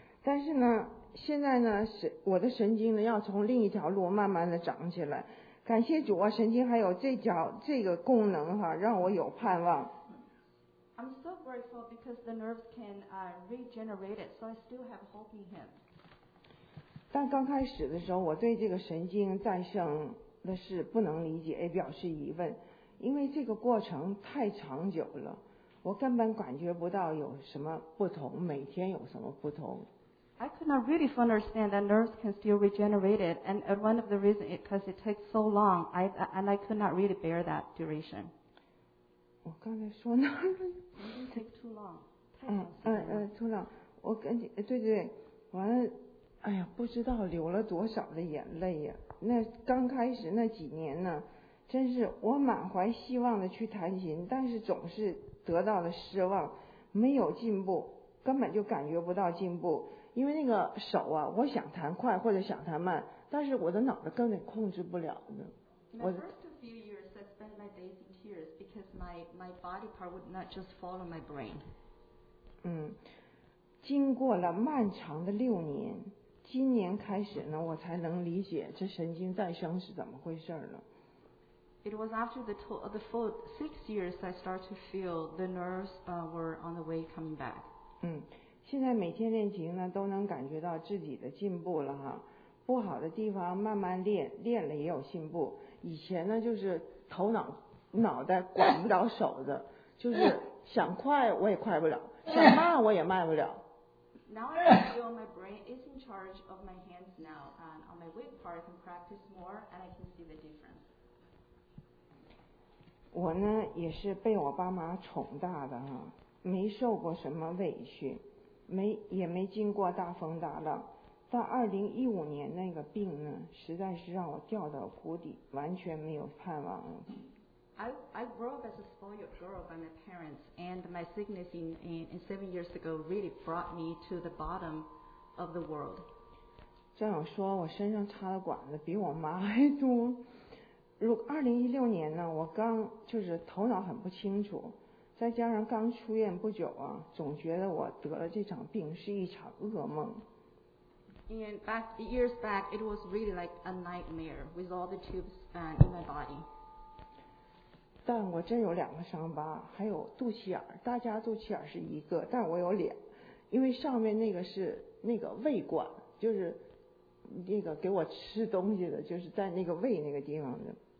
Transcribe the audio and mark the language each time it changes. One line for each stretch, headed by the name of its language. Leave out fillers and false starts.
Chinese: 但是呢，现在呢，我的神经呢要从另一条路慢慢的长起来。感谢主啊，神经还有这脚这个功能哈，让我有盼望。
English: I'm so grateful because the nerves can regenerate it, so I still have hope in him.
Chinese: 但刚开始的时候，我对这个神经再生的事不能理解，也表示疑问，因为这个过程太长久了，我根本感觉不到有什么不同，每天有什么不同。
English: I could not really understand that nerves can still regenerate it, and one of the reasons is because it takes so long, and I could not really bear that duration.
Chinese: 我刚才说哪儿
English: 了？It takes too long.
Chinese: 太长时间了。我跟你，对，完了，哎呀，不知道流了多少的眼泪呀！那刚开始那几年呢，真是我满怀希望的去弹琴，但是总是得到了失望，没有进步，根本就感觉不到进步。因为那个手啊，我想弹快或者想弹慢，但是我的脑子根本控制不了呢。我
English: first few years I spent my days in tears because my body part would not just follow my brain.
Chinese: 经过了漫长的6年，今年开始呢，我才能理解这神经再生是怎么回事了。
English: It was after the full 6 years I started to feel the nerves were on the way coming back.
Chinese: 现在每天练琴呢都能感觉到自己的进步了哈，不好的地方慢慢练，练了也有进步。以前呢就是头脑脑袋管不了手的，就是想快我也快不了，想慢我也慢不了。
English: Now I feel my brain is in charge of my hands now, and on my weak part I can practice more, and I can see the difference.
Chinese: 我呢也是被我爸妈宠大的哈，没受过什么委屈。也没经过大风大浪，但2015年那个病呢，实在是让我掉到谷底，完全没有盼望了。
English: I grew up as a spoiled girl by my parents, and my sickness in 7 years ago really brought me to the bottom of the world.
Chinese: 战友说，我身上插的管子比我妈还多。如2016年呢，我刚就是头脑很不清楚。再加上刚出院不久啊，总觉得我得了这场病是一场噩梦。
English: And back years back, it was really like a nightmare with all the tubes in my body.
Chinese: 但我真有两个伤疤，还有肚脐眼，大家肚脐眼是一个，但我有脸，因为上面那个是那个胃管，就是那个给我吃东西的，就是在那个胃那个地方的。